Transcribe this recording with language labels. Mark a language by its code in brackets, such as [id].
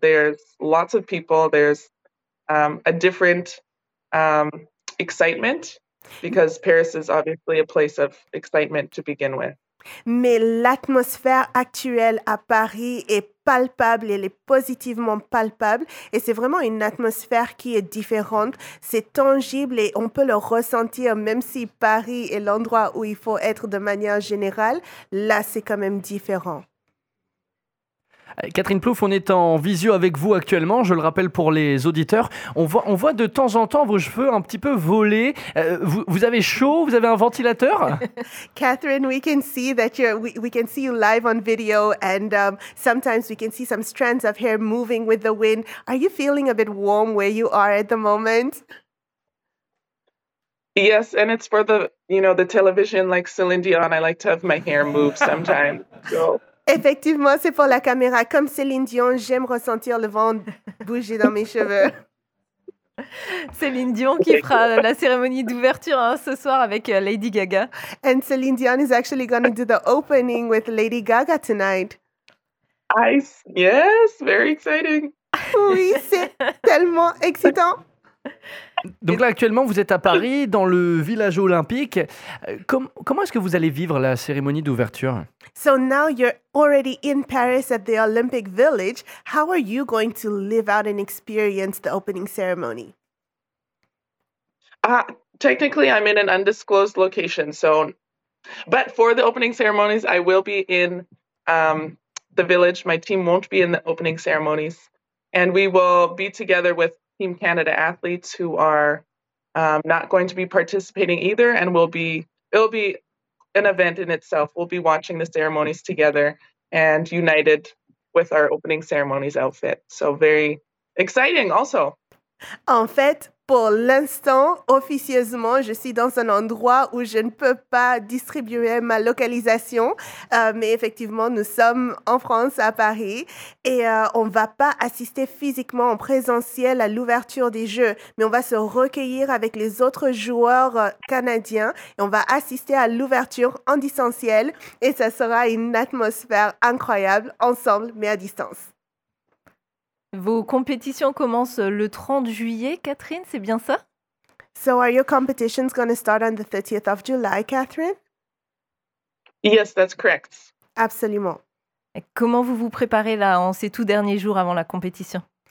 [en] There's lots of people. There's a different excitement because Paris is obviously a place of excitement to begin with. [fr] Mais l'atmosphère actuelle à Paris est palpable, elle est positivement palpable et c'est vraiment une atmosphère qui est différente. C'est tangible et on peut le ressentir même si Paris est l'endroit où il faut être de manière générale. Là, c'est quand même différent. Catherine Plouffe, on est en visio avec vous actuellement, je le rappelle pour les auditeurs. On voit de temps en temps vos cheveux un petit peu voler. Vous avez chaud? Vous avez un ventilateur? [en] Catherine, we can see that we can see you live on video and sometimes we can see some strands of hair moving with the wind. Are you feeling a bit warm where you are at the moment? Yes, and it's for the, you know, the television, like Celine Dion, I like to have my hair move sometimes. [fr] Effectivement, c'est pour la caméra. Comme Céline Dion, j'aime ressentir le vent bouger dans mes cheveux. Céline Dion qui fera la cérémonie d'ouverture hein, ce soir avec Lady Gaga. [en] And Céline Dion is actually going to do the opening with Lady Gaga tonight. Yes, very exciting. [fr] Oui, c'est tellement excitant. Donc là, actuellement, vous êtes à Paris, dans le village olympique. Comment est-ce que vous allez vivre la cérémonie d'ouverture? [en] So now you're already in Paris at the Olympic Village. How are you going to live out and experience the opening ceremony? Technically, I'm in an undisclosed location. So, but for the opening ceremonies, I will be in the village. My team won't be in the opening ceremonies. And we will be together with Team Canada athletes who are not going to be participating either, and it'll be an event in itself. We'll be watching the ceremonies together and united with our opening ceremonies outfit. So very exciting also. [fr] En fait, pour l'instant, officieusement, je suis dans un endroit où je ne peux pas distribuer ma localisation. Mais effectivement, nous sommes en France, à Paris, et on ne va pas assister physiquement en présentiel à l'ouverture des Jeux. Mais on va se recueillir avec les autres joueurs canadiens et on va assister à l'ouverture en distanciel. Et ça sera une atmosphère incroyable, ensemble, mais à distance. Vos compétitions commencent le 30 juillet, Catherine, c'est bien ça? [en] So are your competitions going to start on the 30th of July, Catherine? Yes, that's correct. [fr] Absolument. Et comment vous vous préparez là en ces tout derniers jours avant la compétition?